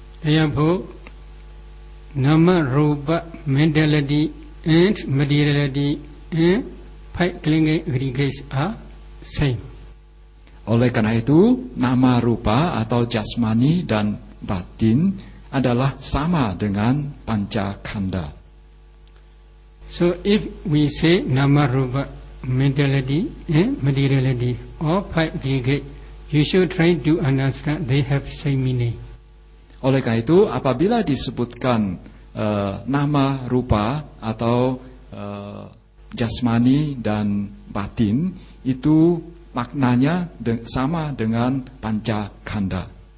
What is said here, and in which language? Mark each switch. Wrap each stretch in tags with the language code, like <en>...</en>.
<en>Ya Bu, nama rupa, mentality and materiality and five clinging aggregates are same.</en> <id>Oleh karena itu, nama rupa atau jasmani dan batin adalah sama dengan pancakhanda.</id> <en>So if we say nama rupa, mentality and materiality or five aggregate, you should try to understand they have same meaning.</en> <id>Oleh karena itu, apabila disebutkan nama rupa atau jasmani dan batin, itu maknanya sama dengan pancakhanda.</id>